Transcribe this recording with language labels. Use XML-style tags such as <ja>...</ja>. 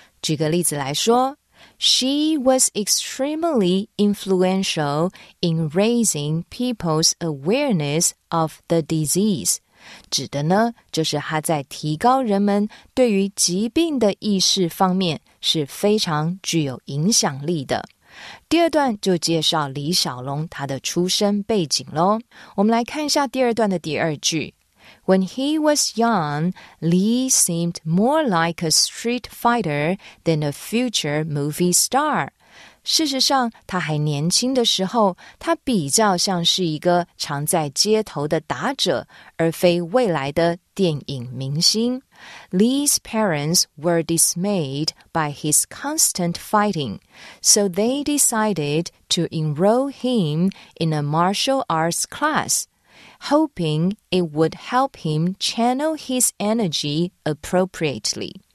<zh>举个例子来说，</zh> <en>She was extremely influential in raising people's awareness of the disease，</en> <zh>指的呢，就是她在提高人们对于疾病的意识方面是非常具有影响力的。第二段就介绍李小龙他的出生背景咯。我们来看一下第二段的第二句。</zh> <en>When he was young, Lee seemed more like a street fighter than a future movie star.</en> <zh>事实上，他还年轻的时候，他比较像是一个常在街头的打者，而非未来的电影明星。</zh> <en>Lee's parents were dismayed by his constant fighting, so they decided to enroll him in a martial arts class, hoping it would help him channel his energy appropriately.</en>